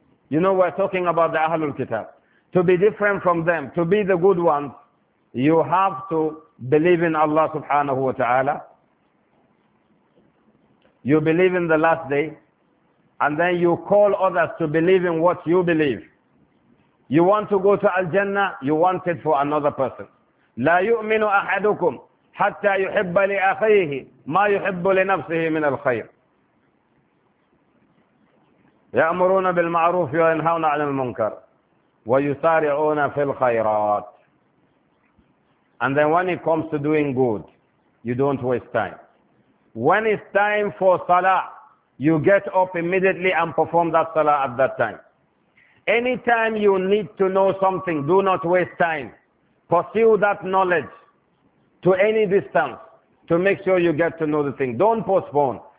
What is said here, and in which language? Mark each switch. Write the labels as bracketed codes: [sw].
[en] You know, we're talking about the Ahlul Kitab. To be different from them, to be the good ones, you have to believe in Allah subhanahu wa ta'ala. You believe in the last day. And then you call others to believe in what you believe. You want to go to Al-Jannah, you want it for another person. [ar] لا يؤمن أحدكم حتى يحب لأخيه ما يحب لنفسه من الخير. يأمرون بالمعروف وينهون عن المنكر ويسارعون في الخيرات. [en] And then when it comes to doing good, you don't waste time. When it's time for salah, you get up immediately and perform that salah at that time. Anytime you need to know something, do not waste time. Pursue that knowledge to any distance to make sure you get to know the thing. Don't postpone.